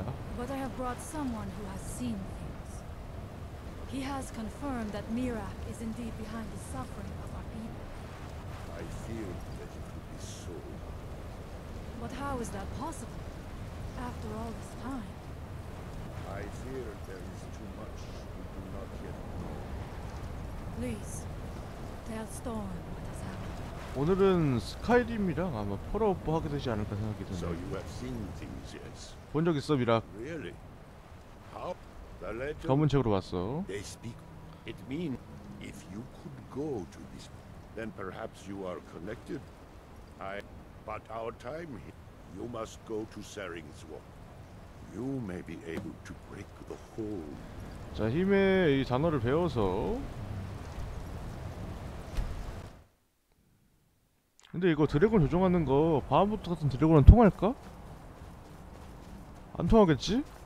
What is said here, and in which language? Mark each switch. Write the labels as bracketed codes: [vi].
[en] No, but I have brought someone who has seen. He has confirmed that Mirak is indeed behind the suffering of our people. I fear that it could be so. But how is that possible, after all this time? I fear there is too much we do not yet know. Please, tell Storm what has happened. [ko] 오늘은 스카이림이랑 아마 펄업 하게 되지 않을까 생각이 드네요. [en] So you have seen things, yes. [ko] 본적 있어, 미라? [en] Really? How? The legend. [ko] 검은 책으로 봤어. [en] They speak. It means if you could go to this, then perhaps you are connected. But our time here. You must go to Sering's Wall. You may be able to break the hold. [ko] 자, 힘의 이 단어를 배워서. 근데 이거 드래곤 조종하는 거 바하무트 같은 드래곤은 통할까? 안 통하겠지?